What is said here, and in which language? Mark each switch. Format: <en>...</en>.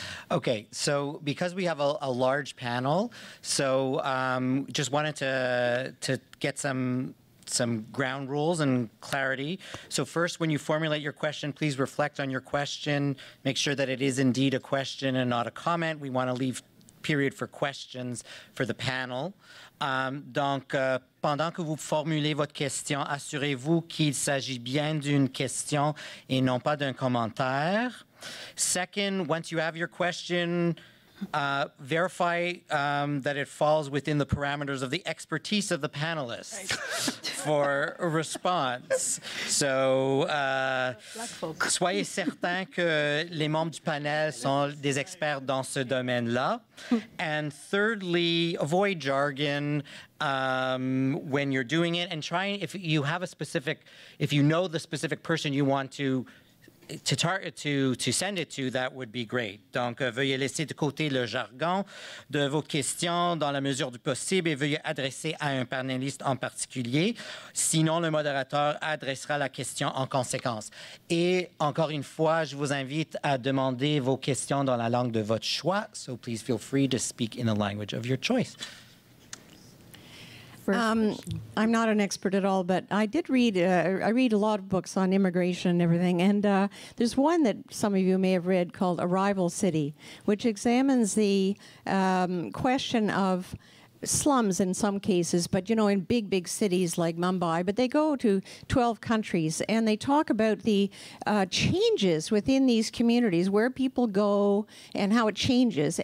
<en>Okay, so because we have a large panel, so just wanted to get some ground rules and clarity. So first, when you formulate your question, please reflect on your question. Make sure that it is indeed a question and not a comment. We want to leave period for questions for the panel.</en> <fr>Donc, pendant que vous formulez votre question, assurez-vous qu'il s'agit bien d'une question et non pas d'un commentaire.</fr> <en>Second, once you have your question, verify that it falls within the parameters of the expertise of the panelists for a response.</en> <fr>So, soyez certain que les membres du panel sont des experts dans ce domaine-là.</fr> <en>And thirdly, avoid jargon when you're doing it, and try, if you have a specific, if you know the specific person you want to to send it to, that would be great.</en> <fr>Donc, veuillez laisser de côté le jargon de vos questions dans la mesure du possible et veuillez adresser à un panéliste en particulier. Sinon, le modérateur adressera la question en conséquence. Et encore une fois, je vous invite à demander vos questions dans la langue de votre choix.</fr> <en>So please feel free to speak in the language of your choice. I'm not an expert at all, but I did read, I read a lot of books on immigration and everything, and there's one that some of you may have read called Arrival City, which examines the question of slums in some cases, but, you know, in big, big cities like Mumbai, but they go to 12 countries, and they talk about the changes within these communities, where people go and how it changes.</en>